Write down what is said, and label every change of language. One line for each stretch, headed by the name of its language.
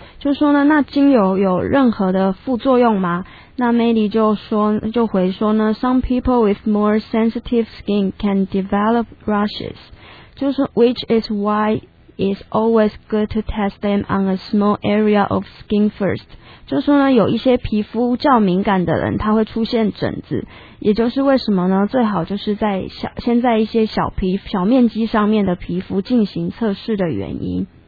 Chinese: 就说呢，那精油有任何的副作用吗？那 Mandy 就回说呢
English: ，Some people with more sensitive skin can develop rashes，
Chinese: 就是
English: which is why it's always good to test them on a small area of skin first。
Chinese: 就说呢，有一些皮肤较敏感的人，他会出现疹子，也就是为什么呢？最好就是在先在一些小面积上面的皮肤进行测试的原因。